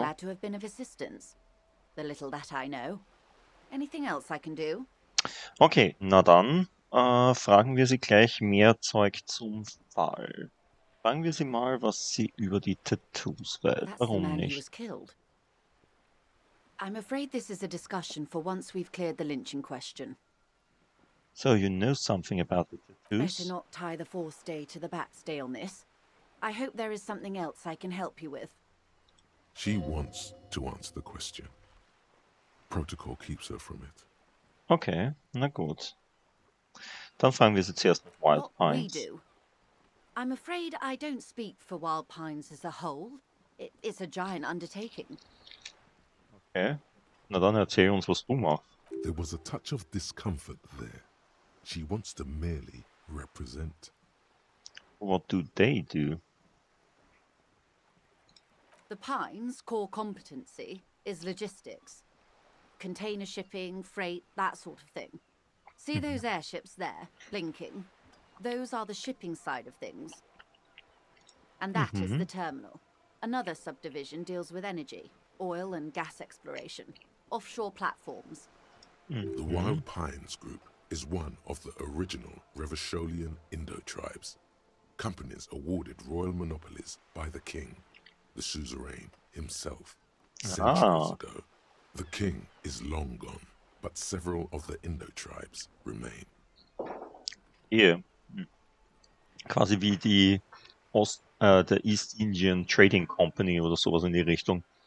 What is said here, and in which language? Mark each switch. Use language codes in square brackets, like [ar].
[en] Glad to have been of assistance. The little that I know. Anything else I can do? [de] Okay, na dann fragen wir sie gleich mehr Zeug zum Fall. Fragen wir sie mal, was sie über die Tattoos weiß. Warum nicht? [en] I'm afraid this is a discussion for once we've cleared the lynching question. So you know something about the tattoos? Better not tie the fourth day to the bat's staleness. I hope there is something else I can help you with. She wants to answer the question. Protocol keeps her from it. Okay, na gut. [de] Dann fragen wir sie zuerst nach Wild Pines. [en] What we do. I'm afraid I don't speak for Wild Pines as a whole. It's a giant undertaking. [de] Okay, na dann erzähl uns, was du machst. [en] There was a touch of discomfort there. She wants to merely represent. What do they do? The Pines' core competency is logistics. Container shipping, freight, that sort of thing. See those airships there, blinking? Those are the shipping side of things. And that is the terminal. Another subdivision deals with energy, oil and gas exploration, offshore platforms. The Wild Pines group is one of the original Revacholian Indo tribes. Companies awarded royal monopolies by the king, the suzerain himself, centuries ago. The king is long gone, but several of the Indo tribes remain. Yeah. [de] Quasi wie die der East Indian Trading Company oder sowas in die Richtung.